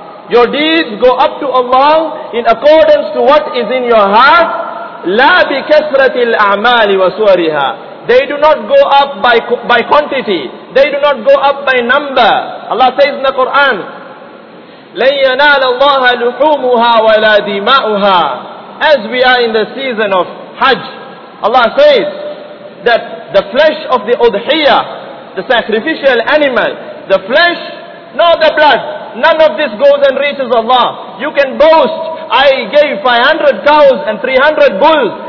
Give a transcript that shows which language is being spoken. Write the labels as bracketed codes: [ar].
[en] Your deeds go up to Allah in accordance to what is in your heart. [ar] لا بكثرة الأعمال وسورها. [en] They do not go up by quantity. They do not go up by number. Allah says in the Quran, [ar] لن ينال الله لحومها ولا دماؤها. [en] As we are in the season of Hajj, Allah says that the flesh of the udhiyah, the sacrificial animal, the flesh, not the blood, none of this goes and reaches Allah. You can boast, I gave 500 cows and 300 bulls.